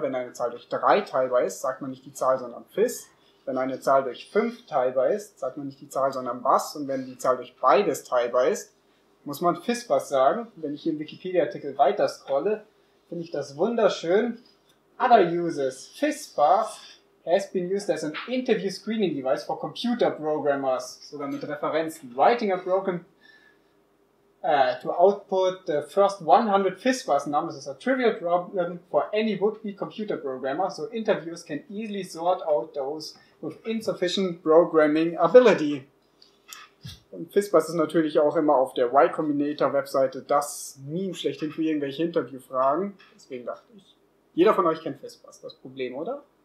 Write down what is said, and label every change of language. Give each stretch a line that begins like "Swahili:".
German: Wenn eine Zahl durch 3 teilbar ist, sagt man nicht die Zahl, sondern FIS. Wenn eine Zahl durch 5 teilbar ist, sagt man nicht die Zahl, sondern BAS. Und wenn die Zahl durch beides teilbar ist, muss man FISBUS sagen. Wenn ich hier im Wikipedia-Artikel weiter scrolle, finde ich das wunderschön.
English: Other uses. FISBUS has been used as an interview screening device for computer programmers.
German: Sogar mit Referenzen.
English: Writing a program to output the first 100 FISBUS numbers is a trivial problem for any would-be computer programmer, so interviewers can easily sort out those with insufficient programming ability.
German: Und FISBUS ist natürlich auch immer auf der Y Combinator Webseite das Meme schlechthin für irgendwelche Interviewfragen. Deswegen dachte ich, jeder von euch kennt FISBUS, das Problem, oder?